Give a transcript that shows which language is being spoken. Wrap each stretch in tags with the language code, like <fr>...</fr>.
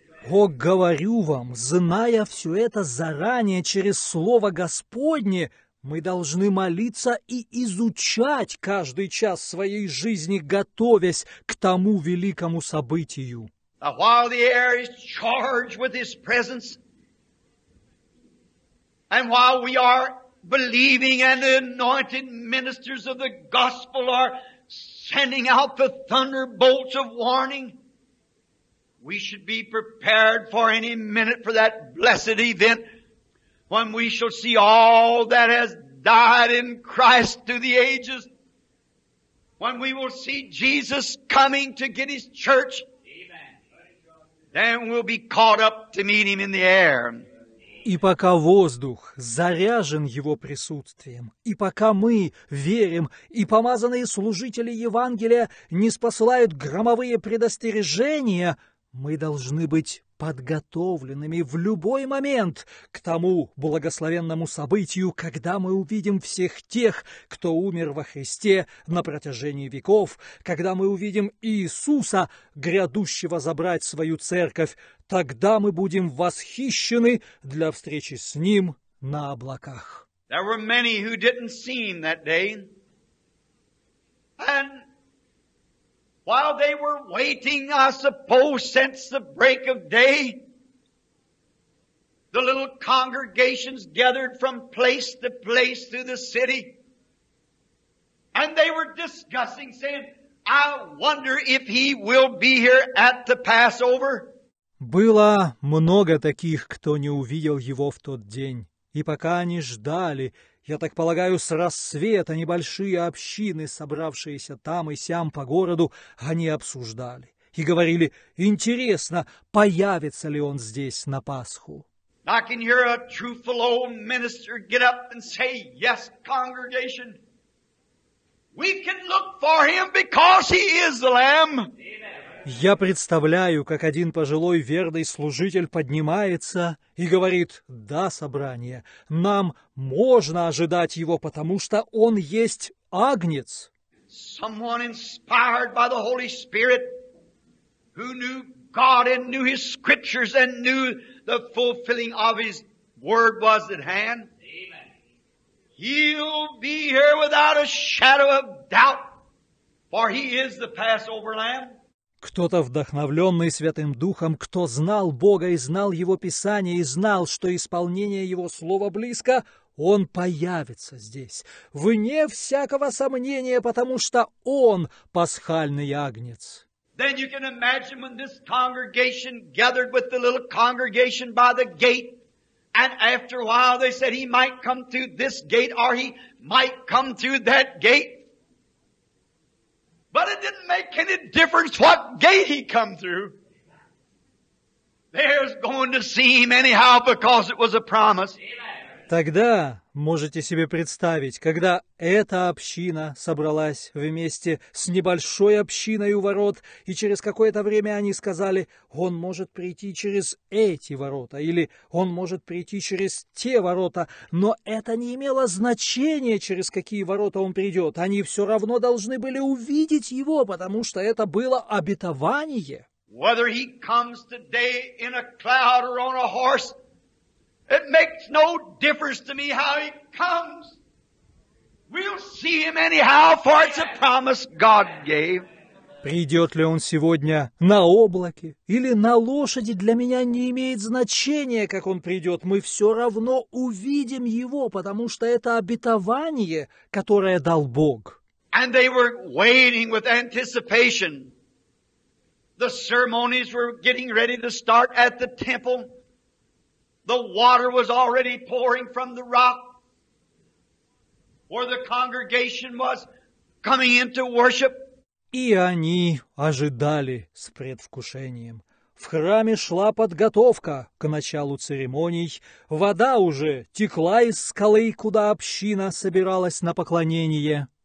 <ru>О, говорю вам, зная все это заранее через Слово Господне, мы должны молиться и изучать каждый час своей жизни, готовясь к тому великому событию.</ru> <en>And while the air is charged with His presence, and while we are believing and the anointed ministers of the gospel are sending out the thunderbolts of warning, we should be prepared for any minute for that blessed event when we shall see all that has died in Christ through the ages, when we will see Jesus coming to get his church. Amen. Then we'll be caught up to meet him in the air.</en> <ru>И пока воздух заряжен Его присутствием, и пока мы верим, и помазанные служители Евангелия ниспосылают громовые предостережения, мы должны быть подготовленными в любой момент к тому благословенному событию, когда мы увидим всех тех, кто умер во Христе на протяжении веков, когда мы увидим Иисуса, грядущего забрать свою церковь, тогда мы будем восхищены для встречи с Ним на облаках.</ru> <en>There were many who didn't see him that day. And while they were waiting, I suppose, since the break of day, the little congregations gathered from place to place through the city, and they were discussing, saying, I wonder if he will be here at the Passover.</en> <ru>Было много таких, кто не увидел его в тот день, и пока они ждали, я так полагаю, с рассвета небольшие общины, собравшиеся там и сям по городу, они обсуждали и говорили, интересно, появится ли он здесь на Пасху.</ru> <en>I can hear a truthful old minister get up and say, yes, congregation, we can look for him because he is the Lamb.</en> <ru>Я представляю, как один пожилой верный служитель поднимается и говорит, «Да, собрание, нам можно ожидать его, потому что он есть Агнец».</ru> <en>Someone inspired by the Holy Spirit, who knew God and knew His Scriptures and knew the fulfilling of His Word was at hand. He'll be here without a shadow of doubt, for He is the Passover Lamb.</en> <ru>Кто-то, вдохновленный Святым Духом, кто знал Бога и знал Его Писание, и знал, что исполнение Его Слова близко, Он появится здесь, вне всякого сомнения, потому что Он – пасхальный Агнец.</ru> <en>Then you can imagine when this congregation gathered with the little congregation by the gate, and after a while they said he might come through this gate, or he might come through that gate. But it didn't make any difference what gate he come through. They're going to see him anyhow because it was a promise. Amen.</en> <ru>Тогда можете себе представить, когда эта община собралась вместе с небольшой общиной у ворот, и через какое-то время они сказали: «Он может прийти через эти ворота», или «Он может прийти через те ворота», но это не имело значения, через какие ворота он придет. Они все равно должны были увидеть его, потому что это было обетование.</ru> <en>Whether he comes today in a cloud or on a horse, it makes no difference to me how he comes. We'll see him anyhow, for it's a promise God gave.</en> <ru>Придет ли он сегодня на облаке или на лошади, для меня не имеет значения, как он придет. Мы все равно увидим его, потому что это обетование, которое дал Бог.</ru> <en>And they were waiting with anticipation. The ceremonies were getting ready to start at the temple. The water was already pouring from the rock where the congregation was coming into worship.</en> <ru>И они ожидали с предвкушением. В храме шла подготовка к началу церемоний. Вода уже текла из скалы, куда община собиралась на поклонение.</ru>